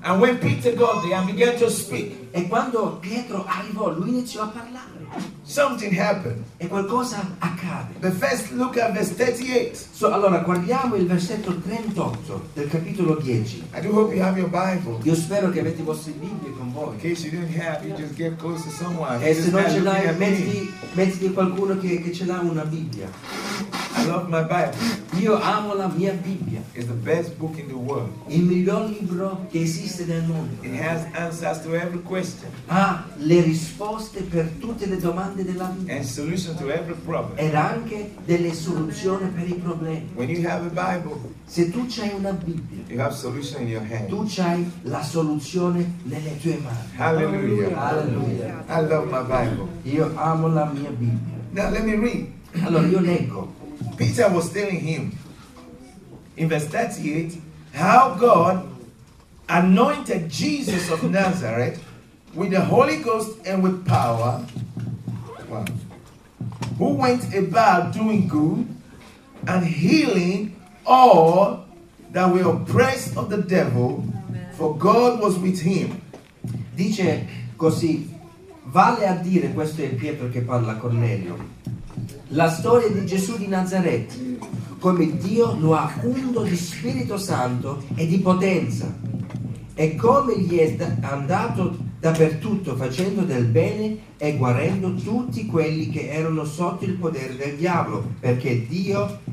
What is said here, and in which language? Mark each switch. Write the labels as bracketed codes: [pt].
[en] And when Peter got there, and began to speak. [it] E quando Pietro arrivò, lui iniziò a parlare. [en] Something happened. [it] E qualcosa accade. [en] The first look at verse 38. [it] So allora guardiamo il versetto 38 del capitolo 10. [en] I do hope you have your Bible. [it] Io spero che avete i vostri libri con voi. [en] In case you didn't have, you just get close to someone. [it] E se non ce l'hai, mettiti qualcuno che ce l'ha una Bibbia. [en] I love my Bible. [it] Io amo la mia Bibbia. [en] It's the best book in the world. [it] Il miglior libro che esiste nel mondo. [en] It has answers to every question. [it] Ha le risposte per tutte le domande della vita. [en] And solution to every problem. [it] Ed anche delle soluzioni per i problemi. [en] When you have a Bible, [it] se tu c'hai una Bibbia, [en] you have solution in your hand. [it] Tu c'hai la soluzione nelle tue mani. [en] Hallelujah. [it] Hallelujah. [en] I love my Bible. [it] Io amo la mia Bibbia. [en] Now let me read. [it] Allora io leggo. [en] Peter was telling him in verse 38 how God anointed Jesus of Nazareth with the Holy Ghost and with power, who went about doing good and healing all that were oppressed of the devil, for God was with him. [it] Dice così, vale a dire, questo è Pietro che parla a Cornelio, la storia di Gesù di Nazaret, come Dio lo ha unto di Spirito Santo e di potenza, e come gli è andato dappertutto facendo del bene e guarendo tutti quelli che erano sotto il potere del diavolo, perché Dio